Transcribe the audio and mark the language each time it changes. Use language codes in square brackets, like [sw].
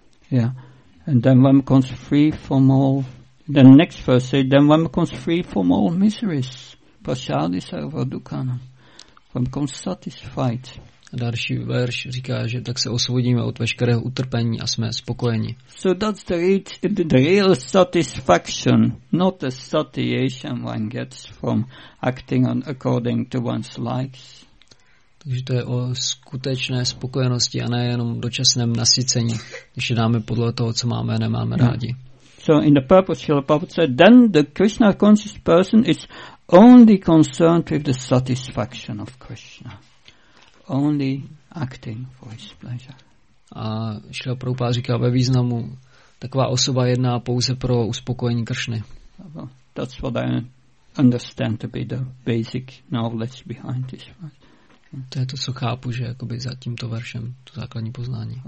[en] Yeah, and then one comes free from all. Then next verse says, then one comes free from all miseries. [sa] Prasadi sarva dukkhanam. [en] One comes satisfied. [cs] A další verš říká, že tak se osvobodíme od veškerého utrpení a jsme spokojeni. [en] So that's the real satisfaction, not the satiation one gets from acting on according to one's likes. [cs] Takže to je o skutečné spokojenosti a ne jenom dočasném nasycení, když je dáme podle toho, co máme a nemáme rádi. [en] So in the purpose Srila Prabhupada said, then the Krishna conscious person is only concerned with the satisfaction of Krishna. Only acting for his pleasure. [cs] A Šila Prabhupada říká ve významu, taková osoba jedná pouze pro uspokojení Kršny. [en] Well, that's what I understand to be the basic knowledge behind this verse. [cs] To je to, co chápu, že jakoby za tímto veršem, to základní poznání.